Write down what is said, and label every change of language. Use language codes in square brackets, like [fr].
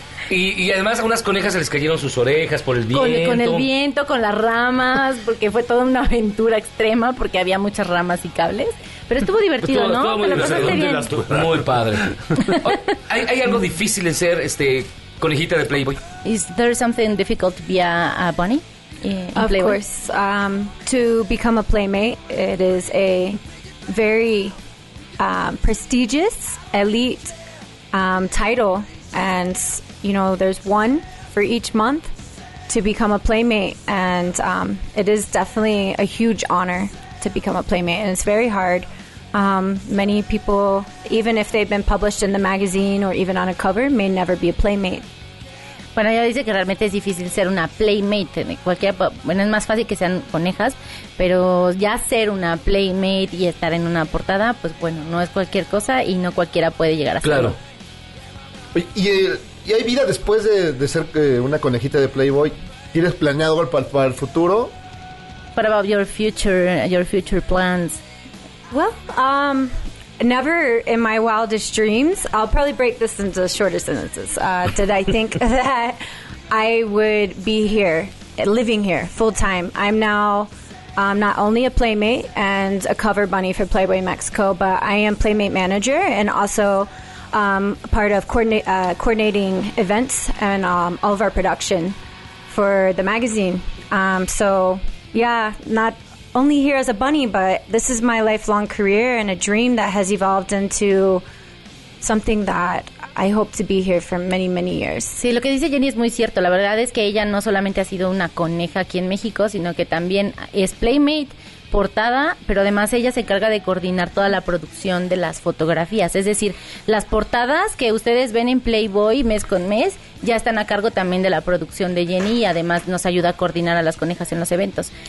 [es] Y además a unas conejas se les cayeron sus orejas por el viento. Con el viento, con las ramas, porque fue toda una aventura extrema, porque había muchas ramas y cables. Pero estuvo divertido, pues todo, ¿no? Muy padre. ¿Hay algo difícil en ser conejita de Playboy? [en] Is there something difficult to be a bunny in Playboy? Of course. To become a playmate, it is a very prestigious, elite title. And you know, there's one for each month to become a playmate, and it is definitely a huge honor to become a playmate, and it's very hard. Many people, even if they've been published in the magazine or even on a cover, may never be a playmate. [es] Bueno, ella dice que realmente es difícil ser una playmate. Cualquiera, bueno, es más fácil que sean conejas, pero ya ser una playmate y estar en una portada, pues bueno, no es cualquier cosa y no cualquiera puede llegar a claro. serlo. Claro. ¿Y hay vida después de ser una conejita de Playboy? ¿Tienes planeado algo para el futuro? [en] What about your future plans? Well, never in my wildest dreams, I'll probably break this into shorter sentences, did I think that I would be here, living here full time. I'm now not only a playmate and a cover bunny for Playboy Mexico, but I am playmate manager and also part of coordinating events and all of our production for the magazine. So, yeah, not only here as a bunny, but this is my lifelong career and a dream that has evolved into something that I hope to be here for many, many years. [es] Sí, lo que dice Jenny es muy cierto. La verdad es que ella no solamente ha sido una coneja aquí en México, sino que también es playmate, portada, pero además ella se encarga de coordinar toda la producción de las fotografías. Es decir, las portadas que ustedes ven en Playboy mes con mes ya están a cargo también de la producción de Jenny y además nos ayuda a coordinar a las conejas en los eventos.